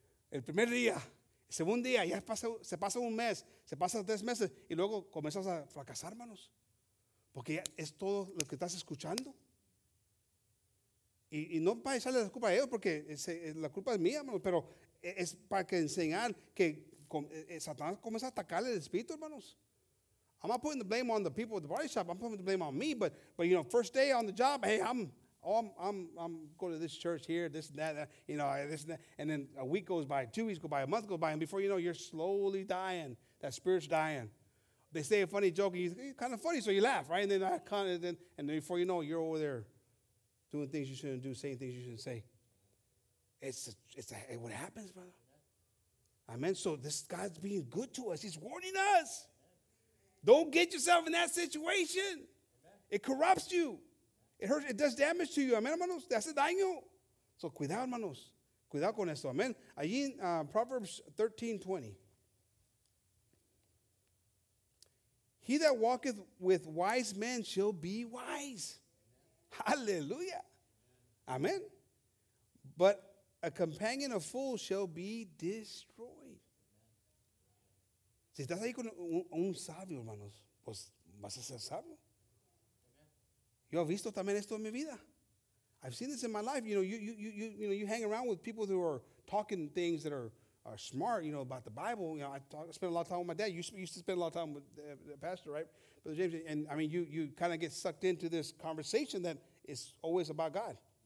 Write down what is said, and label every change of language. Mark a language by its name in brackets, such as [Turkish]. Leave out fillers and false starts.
[Spanish] El primer día, el segundo día, ya se pasa un mes, se pasa 3 meses, y luego comienzas a fracasar, hermanos. Porque ya es todo lo que estás escuchando. Y no para echarle la culpa a ellos, porque la culpa es mía, hermanos, pero es para que enseñar que Satanás comienza a atacar el espíritu, hermanos. [English] I'm not putting the blame on the people at the body shop. I'm putting the blame on me, but you know, first day on the job, hey, I'm going to this church here, this and that, you know, this and that. And then a week goes by, 2 weeks go by, a month goes by, and before you know, you're slowly dying. That spirit's dying. They say a funny joke, and it's kind of funny, so you laugh, right? And then and then before you know, you're over there doing things you shouldn't do, saying things you shouldn't say. It's what happens, brother. Amen. So this God's being good to us. He's warning us. Don't get yourself in that situation. It corrupts you. It hurts. It does damage to you. Amen, hermanos. [Spanish] Te hace daño. [English] So [Spanish] cuidado, hermanos. Cuidado con esto. [English] Amen. [Spanish] Allí en Proverbs 13:20. [English] He that walketh with wise men shall be wise. Hallelujah. Amen. But a companion of fools shall be destroyed. [Spanish] Si estás ahí con un sabio, hermanos, pues vas a ser sabio. Yo he visto también esto en mi vida. [English] I've seen this in my life. You know, you hang around with people who are talking things that are smart, you know, about the Bible. You know, I spent a lot of time with my dad. You used to spend a lot of time with the pastor, right? Brother James. And I mean, you kind of get sucked into this conversation that it's always about God.